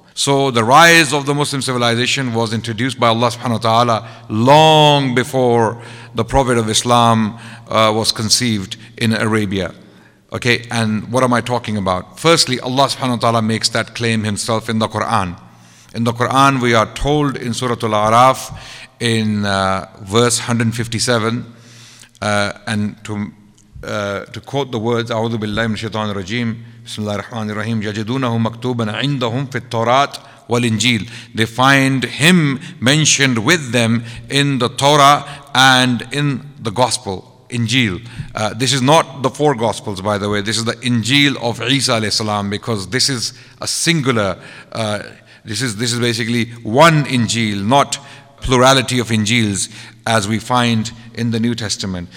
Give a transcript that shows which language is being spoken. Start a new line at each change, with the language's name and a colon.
English: So the rise of the Muslim civilization was introduced by Allah subhanahu wa ta'ala long before the Prophet of Islam was conceived in Arabia. Okay, and what am I talking about? Firstly, Allah subhanahu wa ta'ala makes that claim himself in the Quran. In the Quran, we are told in Surah Al-A'raf in verse 157, and to quote the words,
Arabic: أعوذ بالله من الشيطان الرجيم بسم الله الرحمن الرحيم يجدونه مكتوبا عندهم في التوراة والإنجيل.
English: They find him mentioned with them in the Torah and in the Gospel, Injil. This is not the four Gospels, by the way. This is the Injil of Isa alayhi salam, because this is a singular This is basically one Injil, not plurality of Injils, as we find in the New Testament.